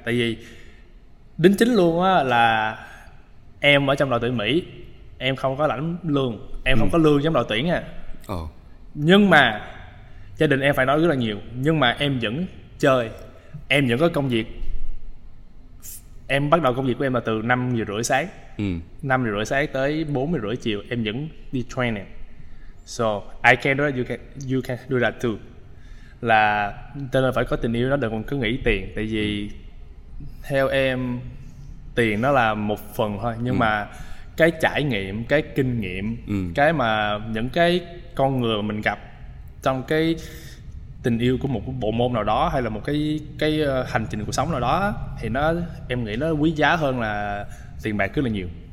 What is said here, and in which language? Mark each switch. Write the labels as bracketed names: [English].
[Vietnamese] Tại vì đính chính luôn á là em ở trong đội tuyển Mỹ, em không có lãnh lương, em không có lương trong đội tuyển nhưng mà gia đình em phải nói rất là nhiều, nhưng mà em vẫn chơi, em vẫn có công việc. Em bắt đầu công việc của em là từ 5:30 sáng, 5:30 sáng tới 4:30 chiều em vẫn đi training. [English] So I can do that, you can do that too. [Vietnamese] Là cho nên phải có tình yêu, nó đừng còn cứ nghĩ tiền. Tại vì theo em tiền nó là một phần thôi, nhưng mà cái trải nghiệm, cái kinh nghiệm, cái mà những cái con người mình gặp trong cái tình yêu của một bộ môn nào đó hay là một cái hành trình cuộc sống nào đó thì nó, em nghĩ nó quý giá hơn là tiền bạc rất là nhiều.